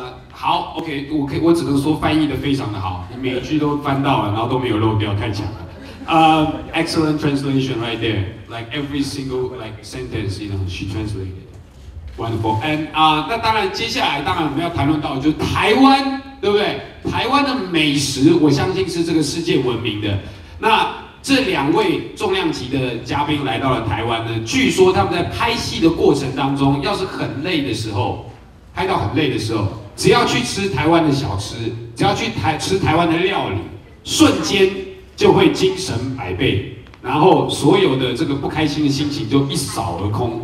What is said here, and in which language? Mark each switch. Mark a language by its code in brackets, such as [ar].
[zh] 好，OK，我只能说翻译的非常的好，每一句都翻到了，然后都没有漏掉，太强了。 [en] Excellent translation right there. Like every single like sentence, you know, she translated. Wonderful. [zh] And 那当然，接下来当然我们要谈论到就是台湾，对不对？台湾的美食，我相信是这个世界闻名的。那这两位重量级的嘉宾来到了台湾呢，据说他们在拍戏的过程当中，要是很累的时候，拍到很累的时候，只要去吃台湾的小吃，只要去吃台湾的料理，瞬间就会精神百倍，然后所有的这个不开心的心情就一扫而空。